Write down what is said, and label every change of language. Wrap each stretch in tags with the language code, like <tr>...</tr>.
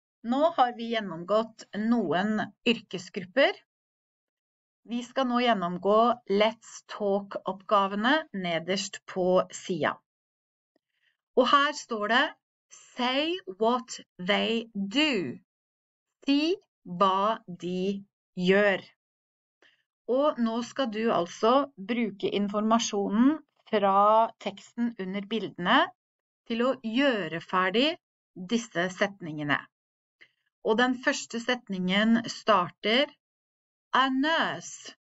<no>Nå har vi gjennomgått noen yrkesgrupper. Vi skal nå gjennomgå Let's Talk-oppgavene nederst på siden. Og her står det</no> <en>Say what they do.</en> <no>Si hva de gjør. Og nå skal du altså bruke informasjonen fra teksten under bildene til å gjøre ferdig disse setningene. Og den første setningen starter</no> <en>A nurse.</en>